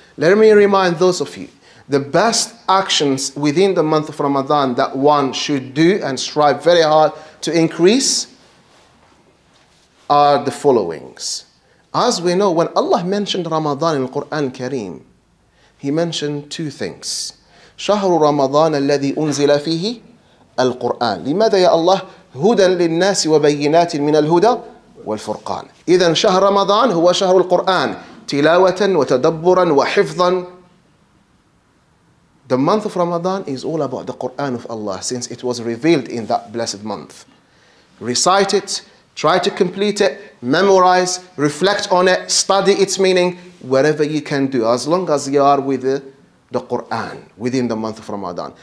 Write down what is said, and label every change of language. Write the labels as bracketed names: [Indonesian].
[English] Let me remind those of you, the best actions within the month of Ramadan that one should do and strive very hard to increase are the followings. As we know, when Allah mentioned Ramadan in the Quran Kareem, He mentioned two things. [Arabic] شهر رمضان الذي أنزل فيه القرآن. لماذا يا الله هدى للناس وبينات من الهدى والفرقان. إذن شهر رمضان هو شهر القرآن تلاوة وتدبرا وحفظا. [English] The month of Ramadan is all about the Quran of Allah, since it was revealed in that blessed month. Recite it, try to complete it, memorize, reflect on it, study its meaning, whatever you can do, as long as you are with the Quran within the month of Ramadan.